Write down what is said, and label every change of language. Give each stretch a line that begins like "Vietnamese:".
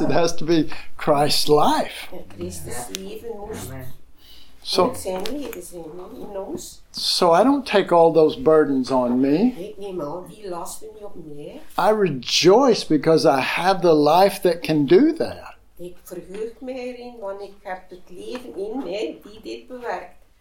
English: It has to be Christ's life.
Dutch: Christus leven moest. Moet zijn leven zijn.
English: So I don't take all those burdens on me.
Dutch: Ik neem al die lasten niet op me.
English: I rejoice because I have the life that can do that.
Dutch: Ik verheug mij erin, want ik heb het leven in mij die dit bewerkt.